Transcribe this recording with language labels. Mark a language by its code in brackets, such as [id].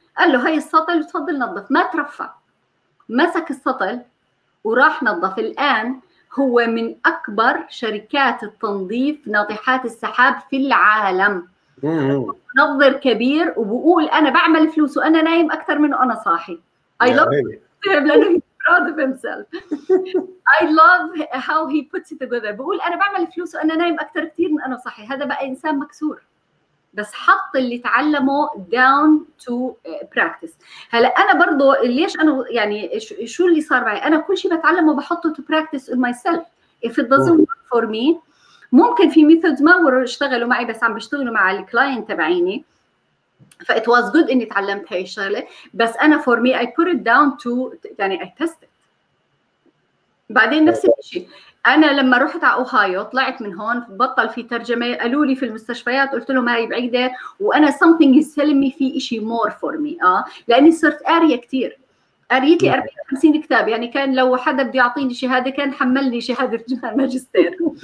[ar] قال له هاي السطل تفضل نظف، ما ترفع، مسك السطل وراح نظف. الآن هو من أكبر شركات التنظيف ناطحات السحاب في العالم، نظر كبير، وبقول انا بعمل فلوس وانا نايم اكثر من انا صاحي. [en] I love him. [ar] لانه [en] proud of himself. I love how he puts it together. [ar] بقول انا بعمل فلوس وانا نايم اكثر كثير من انا صاحي. هذا بقى انسان مكسور، بس حط اللي تعلمه [en] down to practice. [ar] هلا انا برضو ليش انا يعني شو اللي صار معي، انا كل شيء بتعلمه بحطه [en] to practice in myself. If it doesn't work for me، [ar] ممكن في ميثودز ما اشتغلوا معي بس عم بيشتغلوا مع الكلاينت تبعيني، فا [en] it was good [ar] اني تعلمت هاي الشغلة. بس انا [en] for me I put it down to [ar] يعني [en] I tested. [ar] بعدين نفس الشيء انا لما رحت على اوهايو طلعت من هون بطل في ترجمة، قالوا لي في المستشفيات، قلت لهم هاي بعيدة، وانا [en] something is telling me [ar] في اشي [en] more for me. [ar] لاني صرت قارية كتير، قريت لي 54 كتاب. يعني كان لو حدا بدي يعطيني شهادة كان حملني شهادة ماجستير.